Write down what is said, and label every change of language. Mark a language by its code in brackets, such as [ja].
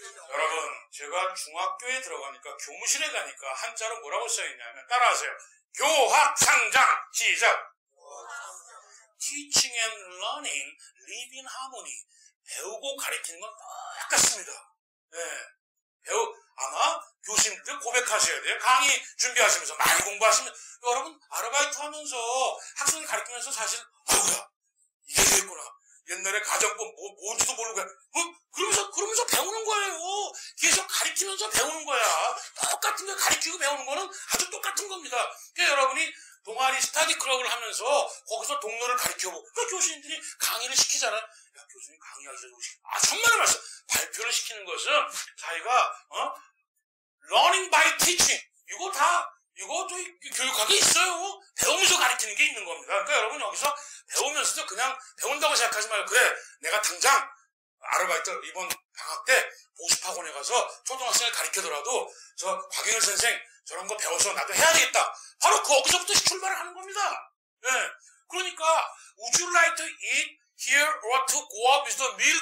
[ko] 여러분, 제가 중학교에 들어가니까 교무실에 가니까 한자로 뭐라고 써있냐면 따라하세요. 교학상장. 시작. [en] Teaching and learning live in harmony. [ko] 배우고 가르치는 건 똑같습니다. 예, 네. 아마 교수님들 고백하셔야 돼요. 강의 준비하시면서 많이 공부하시면 여러분 아르바이트하면서 학생을 가르치면서 사실 아이고야 이게 됐구나. 옛날에 가정법 뭔지도 모르고 어? 그러면서 배우는 거예요. 계속 가르치면서 배우는 거야. 똑같은 걸 가르치고 배우는 거는 아주 똑같은 겁니다. 그러니까 여러분이 동아리 스터디 클럽을 하면서 거기서 동료를 가르쳐보고 그 교수님들이 강의를 시키잖아요. 야, 교수님 강의하셔도 아, 정말 맞어. 발표를 시키는 것은 자기가, [en] learning by teaching. [ko] 이것도 교육학에 있어요. 배우면서 가르치는 게 있는 겁니다. 그러니까 여러분 여기서 배우면서도 그냥 배운다고 생각하지 말고, 그래, 내가 당장 아르바이트 이번 방학 때 보습학원에 가서 초등학생을 가르치더라도 저 곽영일 선생 저런 거 배워서 나도 해야 되겠다. 바로 거기서부터 출발을 하는 겁니다. 예. 네. [en] 그러니까, would you like to eat here or to go out with the meal?